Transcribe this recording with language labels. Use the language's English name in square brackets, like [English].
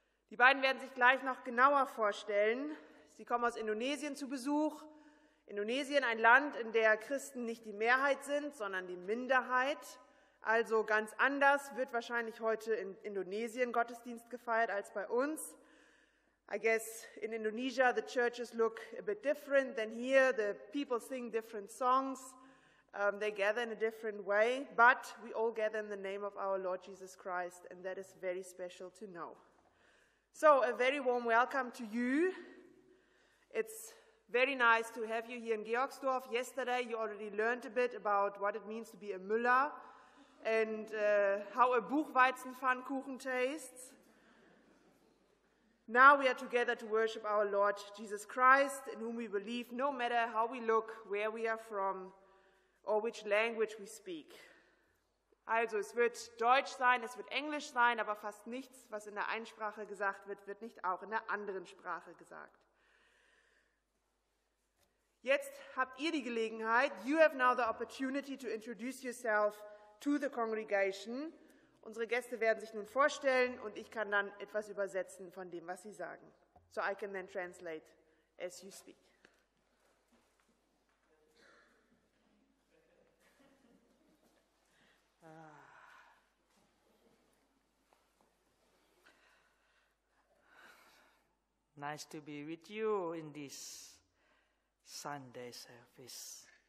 [German] Die beiden werden sich gleich noch genauer vorstellen. Sie kommen aus Indonesien zu Besuch. Indonesien, ein Land, in dem Christen nicht die Mehrheit sind, sondern die Minderheit. Also ganz anders wird wahrscheinlich heute in Indonesien Gottesdienst gefeiert als bei uns. [English] I guess in Indonesia the churches look a bit different than here. The people sing different songs. They gather in a different way. But we all gather in the name of our Lord Jesus Christ. And that is very special to know. So, a very warm welcome to you. It's very nice to have you here in Georgsdorf. Yesterday you already learned a bit about what it means to be a Müller. And how a Buchweizenpfannkuchen tastes. Now we are together to worship our Lord Jesus Christ, in whom we believe, no matter how we look, where we are from, or which language we speak. [German] Also, es wird Deutsch sein, es wird Englisch sein, aber fast nichts, was in der einen Sprache gesagt wird, wird nicht auch in der anderen Sprache gesagt. Jetzt habt ihr die Gelegenheit, [English] you have now the opportunity to introduce yourself to the congregation. [German] Unsere Gäste werden sich nun vorstellen und ich kann dann etwas übersetzen von dem, was sie sagen. [English] So I can then translate as you speak. Nice to be with you in this Sunday service.